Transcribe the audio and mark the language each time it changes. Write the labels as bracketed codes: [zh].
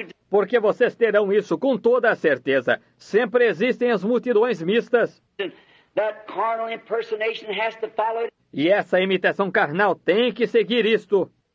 [pt] Porque vocês terão isso com toda a certeza, sempre existem as multidões mistas. [en] That carnal impersonation has to follow it. [pt] E essa imitação carnal tem que seguir isto.